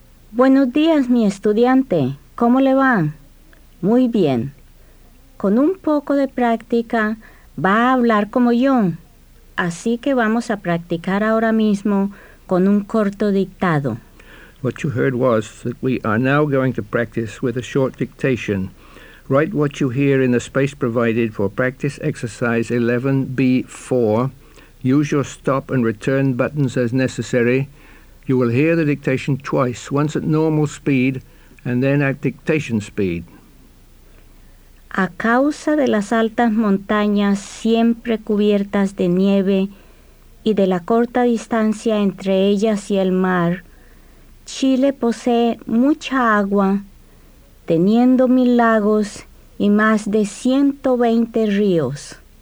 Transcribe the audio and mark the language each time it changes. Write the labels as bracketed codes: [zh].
[es] Buenos días, mi estudiante. ¿Cómo le va? Muy bien. Con un poco de práctica, va a hablar como yo. Así que vamos a practicar ahora mismo con un corto dictado. [en] What you heard was that we are now going to practice with a short dictation. Write what you hear in the space provided for practice exercise 11B4. Use your stop and return buttons as necessary. You will hear the dictation twice, once at normal speed and then at dictation speed. [es] A causa de las altas montañas siempre cubiertas de nieve y de la corta distancia entre ellas y el mar, Chile posee mucha agua, teniendo 1,000 lagos y más de 120 ríos.